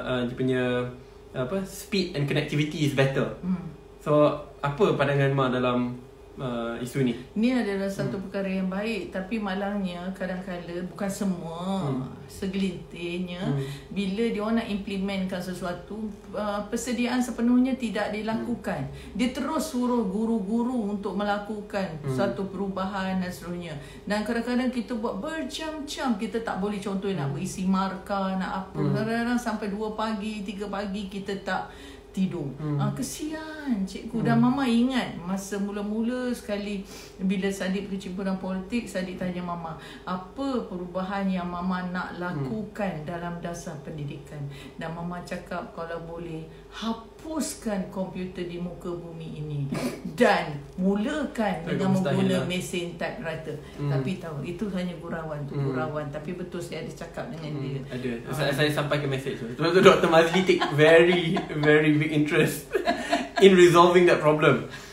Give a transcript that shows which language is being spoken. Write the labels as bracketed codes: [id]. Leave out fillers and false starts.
[ms] Dia punya apa, [en] speed and connectivity is better. [ms] So, apa pandangan Ma dalam isu ni? Ni adalah satu perkara yang baik. Tapi malangnya, kadang-kadang, bukan semua, segelintirnya, bila dia orang nak implementkan sesuatu, persediaan sepenuhnya tidak dilakukan. Dia terus suruh guru-guru untuk melakukan satu perubahan dan seterusnya. Dan kadang-kadang kita buat berjam-jam, kita tak boleh contoh nak berisi markah, nak apa. Kadang-kadang sampai 2 pagi, 3 pagi kita tak tidur. Hmm. Kesian cikgu. Hmm. Dan mama ingat masa mula-mula sekali bila Sadiq berkecimpung dalam politik, Sadiq tanya mama, apa perubahan yang mama nak lakukan dalam dasar pendidikan? Dan mama cakap, kalau boleh, hapuskan komputer di muka bumi ini dan mulakan dengan menggunakan mesin typewriter. Tapi tahu, itu hanya gurauan tu. Gurauan. Tapi betul, saya ada cakap dengan dia. Ada. Saya sampai ke message tu. Sebab tu Dr. [en] Mazli take very, very big interest in resolving that problem.